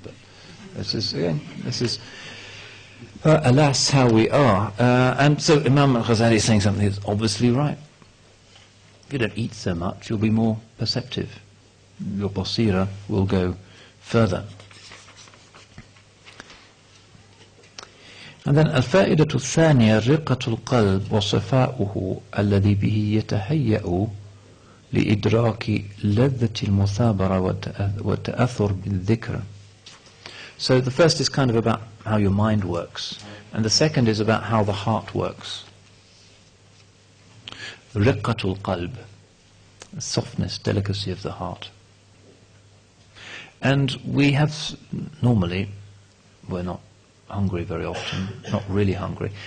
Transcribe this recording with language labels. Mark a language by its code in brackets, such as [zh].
[en] But this is alas, how we are. And so Imam Ghazali is saying something that's obviously right. If you don't eat so much, you'll be more perceptive. Your basira will go further. And then [ar] الفائدة الثانية رقة القلب وصفاؤه الذي به يتهيأ لإدراك لذة المثابرة والتأثر بالذكر. [en] So the first is kind of about how your mind works, and the second is about how the heart works. [ar] رقة القلب, [en] softness, delicacy of the heart. And we have, normally, we're not hungry very often, not really hungry.